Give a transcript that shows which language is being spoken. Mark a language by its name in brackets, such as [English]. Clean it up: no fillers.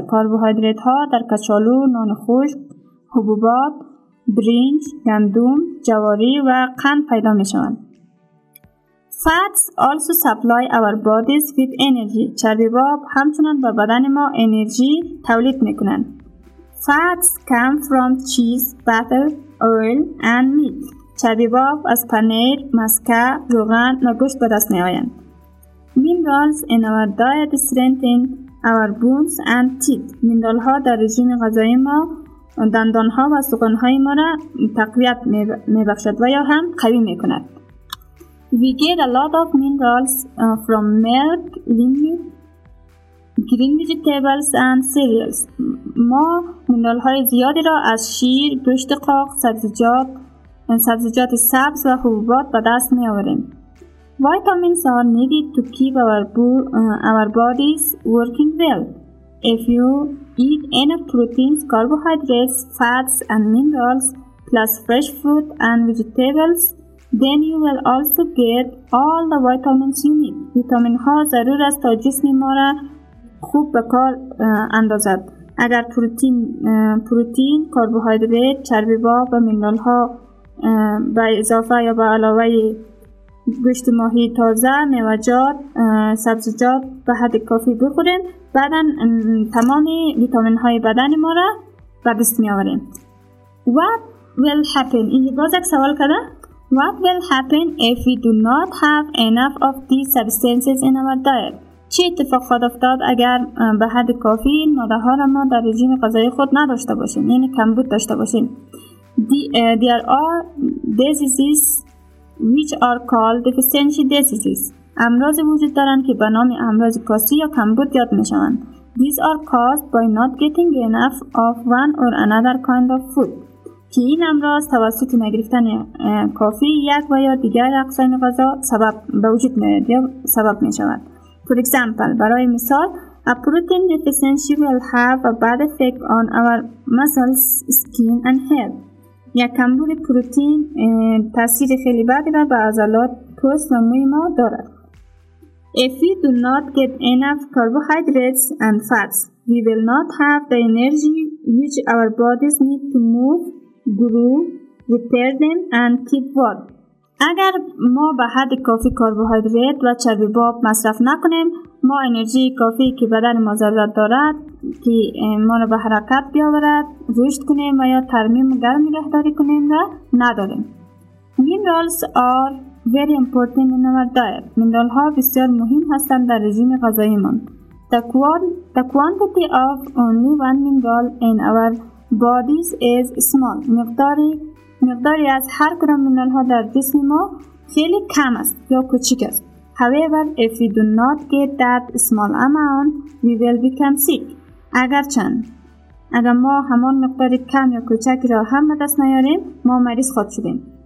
[Persian] کاربوهیدرات ها در کچالو، نان خشک، حبوبات، برنج، گندم، جواری و قند پیدا می شوند. [English] Fats also supply our bodies with energy. [Persian] چربی باب همچنان به بدن ما انرژی تولید می کنند. [English] Fats come from cheese, butter, oil and meat. [Persian] چربی باب از پنیر، مسکه، روغن و گوشت به دست می آیند. [English] Minerals in our diet strengthen our bones and teeth. [Persian] مینرال ها در رژیم غذایی ما دندان ها و سوغن های ما را تقویت می بخشد و یا هم قوی می کند. [English] We get a lot of minerals from milk, lean meat, green vegetables and cereals. [Persian] ما مینرال های زیادی را از شیر، گوشت قاق، سبزیجات سبز و حبوبات به دست می آوریم. [English] Vitamins are needed to keep our bodies working well. If you eat enough proteins, carbohydrates, fats and minerals, plus fresh fruit and vegetables, then you will also get all the vitamins you need. [Persian] ویتامین ها ضرور است تا جسم ما را خوب به کار اندازد. اگر پروتین، کاربوهیدرات، چربی باب و مینرال ها به اضافه یا به علاوه گوشت ماهی تازه، میوه‌جات، سبزیجات به حد کافی بخوریم، بدن تمام ویتامین های بدن ما را به دست می آوریم. [English] What will happen? [Persian] این باز یک سوال کرده. [English] What will happen if we do not have enough of these substances in our diet? [Persian] چه اتفاق خواهد افتاد اگر به حد کافی این ماده ها را ما در رژیم غذایی خود نداشته باشیم، یعنی کمبود داشته باشیم. [English] There are diseases which are called deficiency diseases. [Persian] امراض وجود دارند که به نام امراض کاسی یا کمبود یاد می شوند. [English] These are caused by not getting enough of one or another kind of food. [Persian] که این امراض توسط نگرفتن کافی یک و یا دیگر اقسام غذا سبب به وجود می آید یا سبب می شود. [English] For example, [Persian] برای مثال, [English] a protein deficiency will have a bad effect on our muscles, skin and hair. [Persian] یک کمبود پروتئین تاثیر خیلی بدی را به عضلات، پوست و موی ما دارد. [English] If we do not get enough carbohydrates and fats, we will not have the energy which our bodies need to move, grow, repair them and keep well. [Persian] اگر ما به حد کافی کربوهیدرات و چربی باب مصرف نکنیم، ما انرژی کافی که بدن ما ضرورت دارد که ما را به حرکت بیاورد، رشد کنیم و یا ترمیم و گرم نگهداری کنیم را نداریم. [English] Minerals are very important in our diet. [Persian] مینرال‌ها بسیار مهم هستند در رژیم غذایمان. [English] The quantity of only one mineral in our bodies is small. [Persian] مقداری از هر گرم مینرال‌ها در جسم ما خیلی کم است یا کوچک است. [English] However, if we do not get that small amount, we will become sick. [Persian] اگر ما همان مقدار کم یا کوچک را هم به دست نیاریم، ما مریض خواهد شدیم.